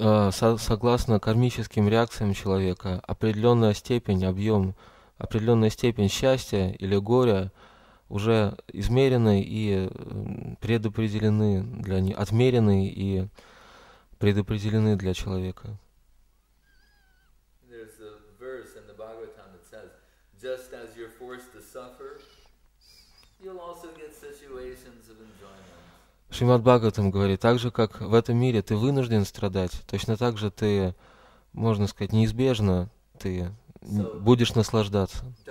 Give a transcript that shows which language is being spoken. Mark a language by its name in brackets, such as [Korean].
[Russian] Согласно кармическим реакциям человека, определенная степень счастья или горя уже измерены и предопределены для них, отмерены и предопределены для человека. [English] There's a verse in the Bhagavatam that says, just as you're forced to suffer, you'll also get situations of enjoyment. [Russian] Шримад Бхагаватам говорит, так же, как в этом мире ты вынужден страдать, точно так же ты, можно сказать, неизбежно ты будешь наслаждаться.